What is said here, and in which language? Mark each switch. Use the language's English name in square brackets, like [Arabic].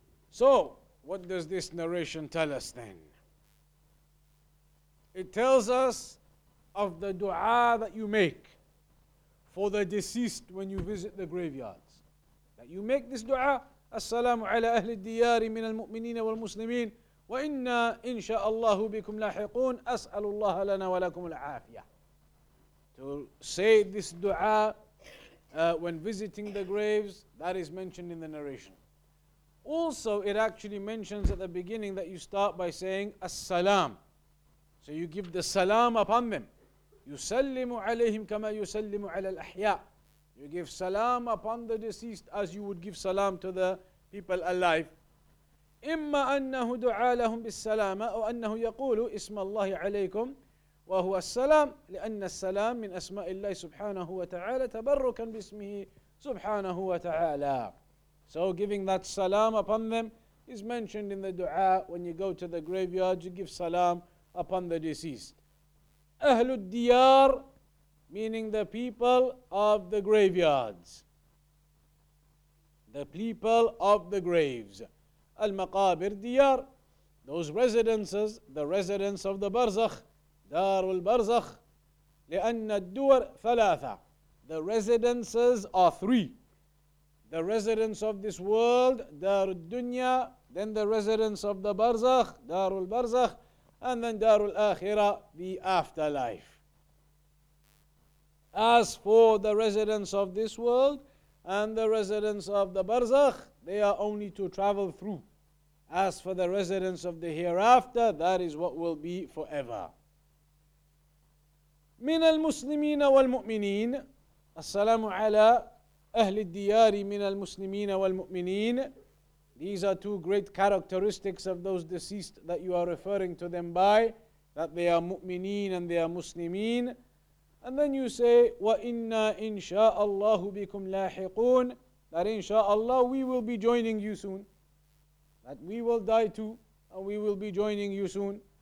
[English] So, what does this narration tell us then? It tells us of the dua that you make for the deceased when you visit the graveyards. That you make this dua [Arabic] السلام على أهل الديار من المؤمنين والمسلمين وإنا إن شاء الله بكم لاحقون أسأل الله لنا ولكم العافية. [English] To say this dua when visiting the graves, that is mentioned in the narration. Also, it actually mentions at the beginning that you start by saying as-salam. So you give the salam upon them. [Arabic] يُسَلِّمُ عَلَيْهِمْ كَمَا يُسَلِّمُ عَلَى الْأَحْيَاءِ. [English] You give salam upon the deceased as you would give salam to the people alive. [Arabic] إِمَّا أَنَّهُ دُعَى لَهُمْ بِالسَّلَامَةِ وَأَنَّهُ يَقُولُ إِسْمَ اللَّهِ عَلَيْكُمْ وهو السلام لأن السلام من أسماء الله سبحانه وتعالى تبركا باسمه سبحانه وتعالى. [English] So giving that salam upon them is mentioned in the dua. When you go to the graveyard, you give salam upon the deceased. أهل الديار, meaning the people of the graveyards. The people of the graves. [Arabic] المقابر ديار, [English] those residences, the residence of the barzakh. [Arabic] دار البرزخ لأن الدور ثلاثة. [English] The residences are three. The residence of this world, دار الدنيا. Then the residence of the برزخ, دار البرزخ. And then دار الآخرة, the afterlife. As for the residence of this world and the residence of the برزخ, they are only to travel through. As for the residence of the hereafter, that is what will be forever. [Arabic] من المسلمين والمؤمنين السلام على أهل الديار من المسلمين والمؤمنين. [English] These are two great characteristics of those deceased that you are referring to them by, that they are مؤمنين and they are مسلمين. And then you say [Arabic] وَإِنَّا إِنْ شَاءَ اللَّهُ بِكُمْ لَاحِقُونَ, [English] that inshallah we will be joining you soon, that we will die too and we will be joining you soon.